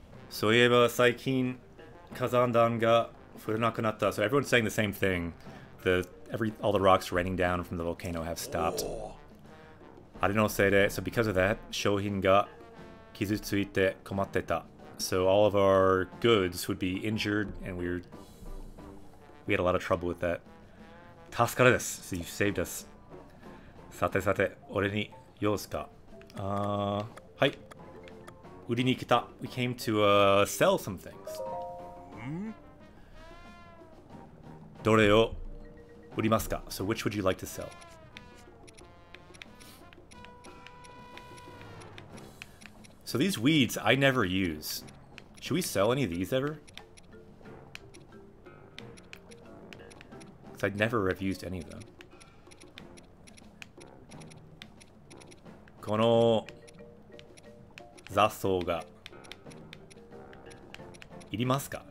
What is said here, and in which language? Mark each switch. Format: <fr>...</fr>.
<ja>そういえば最近火山弾が降らなくなった.</ja> <en>So everyone's saying the same thing. All the rocks raining down from the volcano have stopped. So because of that,</en> <ja>商品が傷ついて困ってた.</ja> <en>So all of our goods would be injured, and we had a lot of trouble with that.</en> <ja>助かるです.</ja> <en>So you saved us.</en> <ja>さてさて、俺に用事か. はい.売りに来た.</ja> <en>We came to sell some things.</en> <ja>どれを売りますか?</ja> <en>So which would you like to sell? So these weeds, I never use. Should we sell any of these ever? Because I'd never have used any of them.</en> <ja>この雑草がいりますか?</ja>